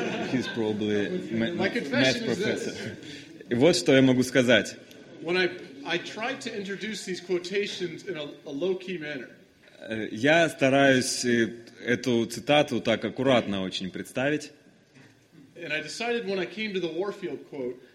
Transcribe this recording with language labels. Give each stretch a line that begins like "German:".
English: He's probably math professor.
Russian: И вот что я могу сказать.
English: When I try to introduce these quotations in a low-key manner.
Russian: Я стараюсь эту цитату так аккуратно очень представить.
English: And I decided when I came to the Warfield quote.